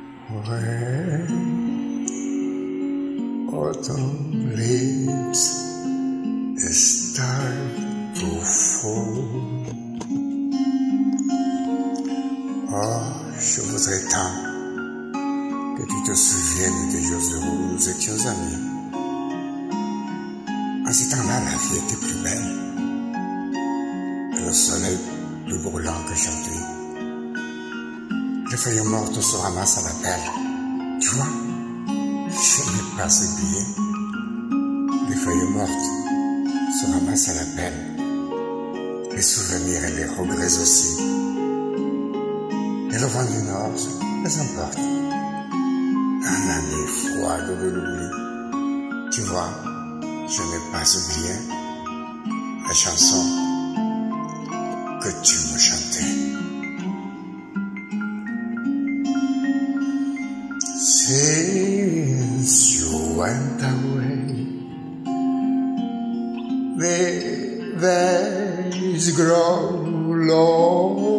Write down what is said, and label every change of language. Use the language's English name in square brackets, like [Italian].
[English] When autumn leaves start to fall. [French] Oh, je voudrais tant que tu te souviennes des jours heureux où nous étions amis. En ce temps-là, la vie était plus belle que le soleil plus brûlant qu'aujourd'hui. Les feuilles mortes se ramassent à la pelle. Tu vois, je n'ai pas oublié. Les feuilles mortes se ramassent à la pelle. Les souvenirs et les regrets aussi. Et le vent du nord, les emporte. Un ami froid de l'oubli. Tu vois, je n'ai pas oublié la chanson que tu me chantais. [English] Since you went away, the days grow long.